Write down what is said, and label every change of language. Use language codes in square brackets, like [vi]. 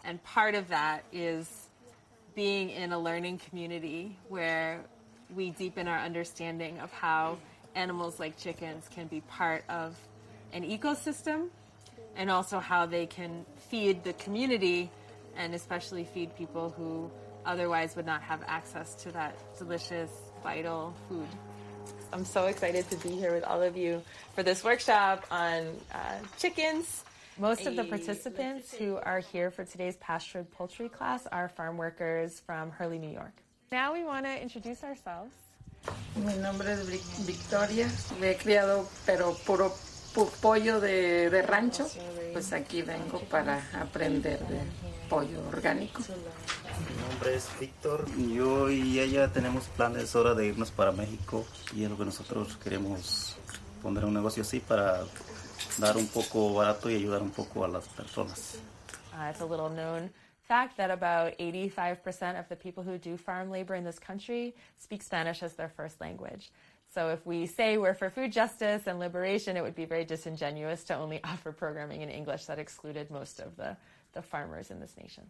[en] And part of that is being in a learning community where we deepen our understanding of how animals like chickens can be part of an ecosystem and also how they can feed the community and especially feed people who otherwise would not have access to that delicious, vital food. I'm so excited to be here with all of you for this workshop on chickens. Most of the participants who are here for today's pastured poultry class are farm workers from Hurley, New York. Now we want to introduce ourselves. [es] Mi nombre es Victoria. Me he criado pero puro pollo de rancho. Pues aquí vengo para aprender de pollo orgánico. Mi nombre es Víctor. Yo y ella tenemos planes ahora de irnos para México y es lo que nosotros queremos poner un negocio así para dar un poco barato y ayudar un poco a las personas. [en] It's a little known fact that about 85% of the people who do farm labor in this country speak Spanish as their first language. So if we say we're for food justice and liberation, it would be very disingenuous to only offer programming in English that excluded most of the farmers in this nation.